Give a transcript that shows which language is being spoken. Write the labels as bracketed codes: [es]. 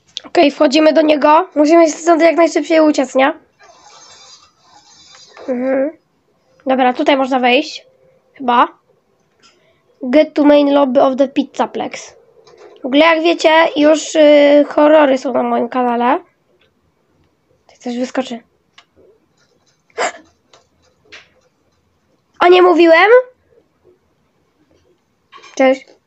[pl] Okej, wchodzimy do niego. Musimy się stąd jak najszybciej uciec, nie? Dobra, tutaj można wejść. Chyba. [en] Get to main lobby of the Pizzaplex. [pl] W ogóle, jak wiecie, już horrory są na moim kanale. Tutaj coś wyskoczy. A nie mówiłem? Cześć.